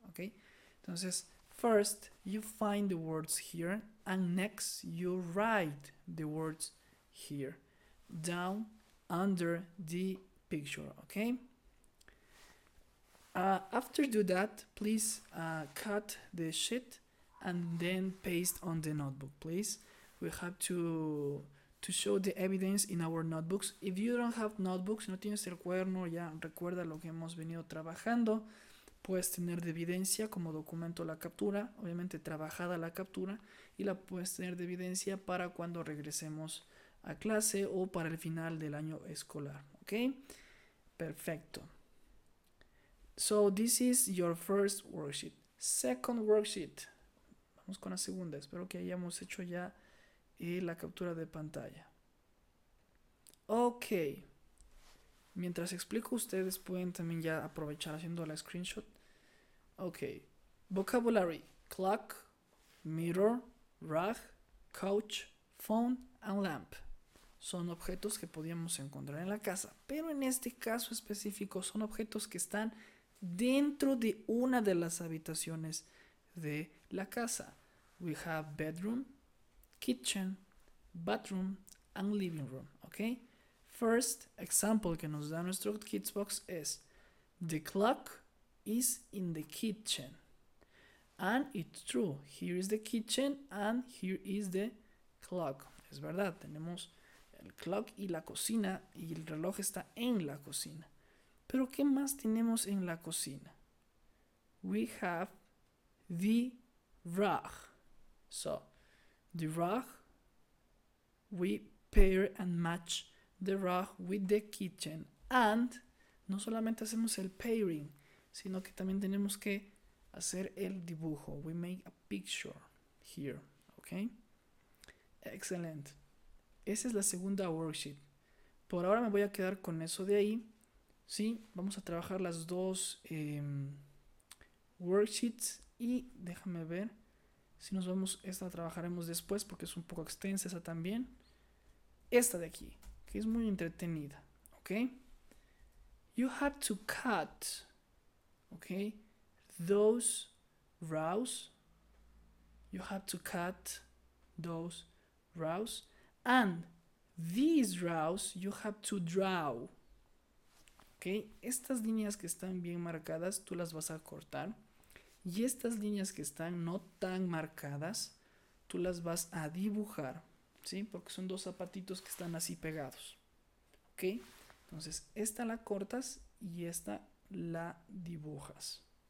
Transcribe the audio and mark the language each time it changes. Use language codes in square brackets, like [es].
[en] Okay, [es] entonces, [en] first you find the words here, and next you write the words here down under the picture. Okay. After do that, please cut the sheet and then paste on the notebook, please. We have to show the evidence in our notebooks. If you don't have notebooks, [es] no tienes el cuaderno, ya recuerda lo que hemos venido trabajando. Puedes tener de evidencia como documento la captura, obviamente trabajada la captura, y la puedes tener de evidencia para cuando regresemos a clase o para el final del año escolar, ¿ok? Perfecto. [en] So this is your first worksheet. Second worksheet. [es] Vamos con la segunda. Espero que hayamos hecho ya la captura de pantalla. Okay. Mientras explico, ustedes pueden también ya aprovechar haciendo la screenshot. Okay. [en] Vocabulary: clock, mirror, rug, couch, phone and lamp. [es] Son objetos que podíamos encontrar en la casa, pero en este caso específico son objetos que están dentro de una de las habitaciones de la casa. [en] We have bedroom, kitchen, bathroom, and living room. Okay? First example [es] que nos da nuestro [en] kids box is the clock is in the kitchen. And it's true. Here is the kitchen and here is the clock. [es] Es verdad, tenemos el clock y la cocina y el reloj está en la cocina. ¿Pero qué más tenemos en la cocina? [en] We have the rug. So, the rug, we pair and match the rug with the kitchen. [es] And no solamente hacemos el pairing, sino que también tenemos que hacer el dibujo. [en] We make a picture here, okay? Excellent. [es] Esa es la segunda worksheet. Por ahora me voy a quedar con eso de ahí. Sí, vamos a trabajar las dos worksheets y déjame ver si nos vamos, esta la trabajaremos después porque es un poco extensa esa también. Esta de aquí, que es muy entretenida, ¿ok? [en] You have to cut, ¿ok? Those rows, you have to cut those rows and these rows you have to draw. Okay. [es] Estas líneas que están bien marcadas, tú las vas a cortar. Y estas líneas que están no tan marcadas, tú las vas a dibujar, ¿sí? Porque son dos zapatitos que están así pegados. Okay. Entonces, esta la cortas y esta la dibujas.